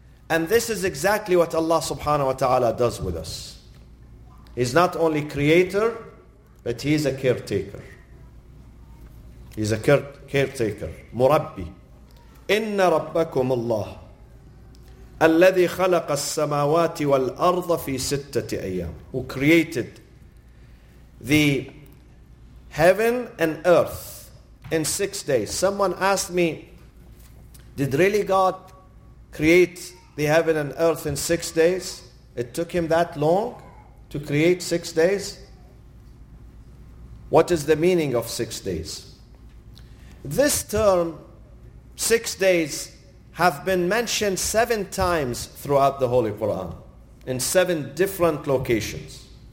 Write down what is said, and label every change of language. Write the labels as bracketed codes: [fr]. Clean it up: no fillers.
[en] And this is exactly what Allah subhanahu wa ta'ala does with us. He's not only creator, but He's a caretaker. He's a caretaker. Murabbi. [ar] إِنَّ رَبَّكُمُ اللَّهِ الَّذِي خَلَقَ السَّمَاوَاتِ وَالْأَرْضَ فِي سِتَّةِ أَيَّامٍ [en] Who created the heaven and earth in 6 days. Someone asked me, did really God create the heaven and earth in 6 days? It took Him that long to create 6 days? What is the meaning of 6 days? This term, 6 days, have been mentioned 7 times throughout the Holy Quran in 7 different locations.